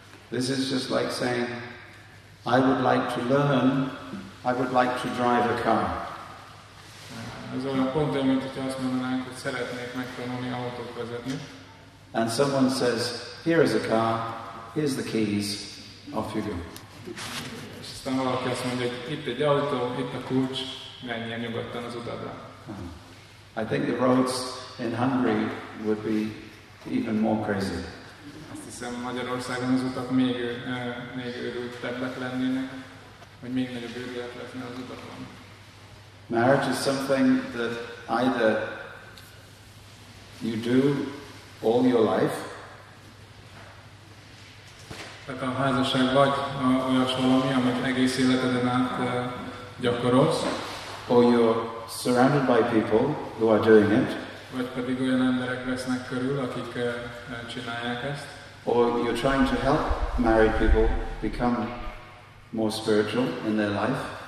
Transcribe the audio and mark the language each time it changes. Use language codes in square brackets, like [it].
[en] This is just like saying, I would like to learn, I would like to drive a car. [hu] Ez olyan pont, mint hogyha azt mondanánk, hogy szeretnék megtanulni autót vezetni. [en] And someone says, here is a car, here's the keys, off you go. [hu] És aztán valaki azt mondja, hogy itt egy autó, itt a kulcs, menjél nyugodtan az utadra. [en] I think the roads in Hungary would be even more crazy. [hu] Azt hiszem, Magyarországon az utak még őrültebbek lennének, vagy még nagyobb őrület lenne az utakon. [en] Marriage is something that either you do all your life. [hu] Tehát a házasság vagy olyas valami, amit egész életeden át gyakorolsz. [en] Or you're surrounded by people who are doing it. [hu] Vagy pedig olyan emberek vesznek körül, akik csinálják ezt. [en] Or you're trying to help married people become more spiritual in their life.